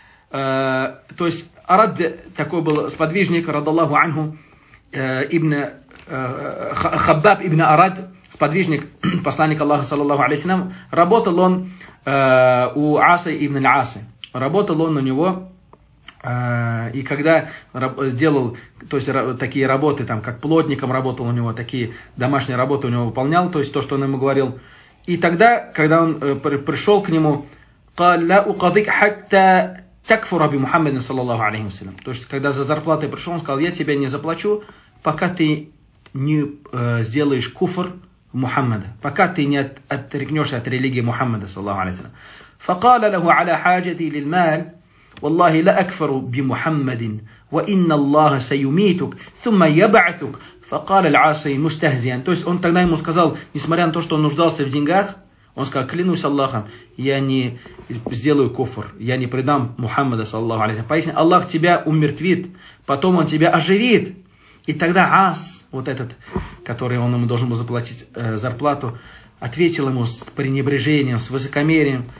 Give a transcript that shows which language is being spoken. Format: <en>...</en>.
<ru>То есть Арад такой был сподвижник, радаллаху анху, ибн Хаббаб ибн Арад, сподвижник посланника Аллаха, саллаллаху алейхи ва саллям, работал он у Ааса ибн Ааса. Работал он у него... И когда делал то есть, такие работы, там, как плотником работал у него, такие домашние работы у него выполнял, то есть то, что он ему говорил. И тогда, когда он пришел к нему,</ru> <ar>قال لا أقضيك حتى تكفر بمحمد صلى الله عليه وسلم.</ar> <ru>То есть когда за зарплатой пришел, он сказал, я тебе не заплачу, пока ты не сделаешь куфр Мухаммада, пока ты не отрекнешься от религии Мухаммада</ru> <ar>صلى الله عليه وسلم. فقال له على حاجتي للمال والله لا أكفر بمحمد وإن الله سيميتك ثم يبعثك. فقال العاصي مستهزئا.</ar> <ru>То есть он тогда ему сказал, несмотря на то, что он нуждался в деньгах, он сказал, клянусь Аллахом, я не сделаю куфр, я не предам Мухаммада</ru> <ar>صلى الله عليه وسلم.</ar> <ru>Поясни, Аллах тебя умертвит, потом он тебя оживит. И тогда Ас, вот этот, который он ему должен был заплатить зарплату, ответил ему с пренебрежением, с высокомерием.</ru>